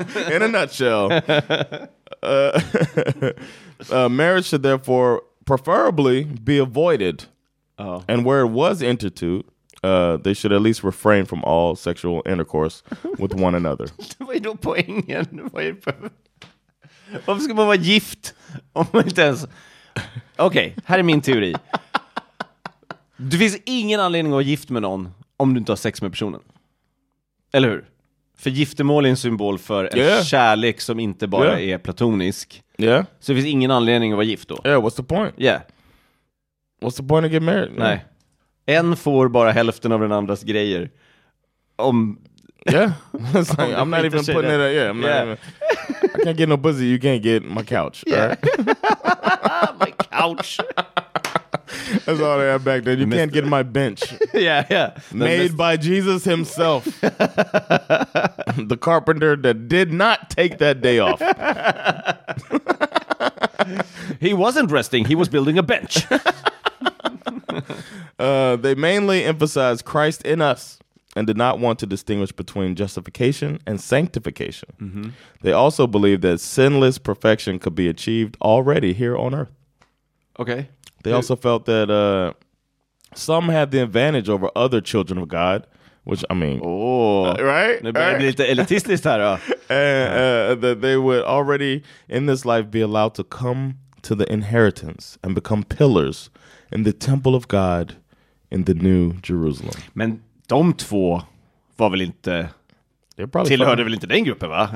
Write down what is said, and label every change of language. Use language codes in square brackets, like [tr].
[en] In a nutshell. marriage should therefore preferably be avoided. Oh. And where it was entered to, they should at least refrain from all sexual intercourse with one another. [sv] Vad är då poängen? Varför ska man vara gift om man inte ens... Okej, här är min teori. Det finns ingen anledning att vara gift med någon om du inte har sex med personen. Eller hur? För giftermål är en symbol för en kärlek som inte bara är platonisk. [en] Yeah. [sv] Så det finns ingen anledning att vara gift då. [en] Yeah, what's the point? Yeah. What's the point to get married? [sv] Nej. Yeah. En får bara hälften av den andras grejer. Om [en] I'm not even putting it. I can't get no pussy. You can't get my couch. Yeah. Right? My couch. That's all they have back then. You can't get my bench. Yeah, yeah. Made by Jesus himself. The carpenter that did not take that day off. He wasn't resting. He was building a bench. They mainly emphasized Christ in us and did not want to distinguish between justification and sanctification. Mm-hmm. They also believed that sinless perfection could be achieved already here on earth. Okay. They also felt that some had the advantage over other children of God, which, I mean... Right? [sv] Det börjar bli lite elitistiskt här, då. [en] That they would already in this life be allowed to come to the inheritance and become pillars in the temple of God in the new Jerusalem. [sv] Men de två var väl inte tillhörde väl inte den gruppen, va?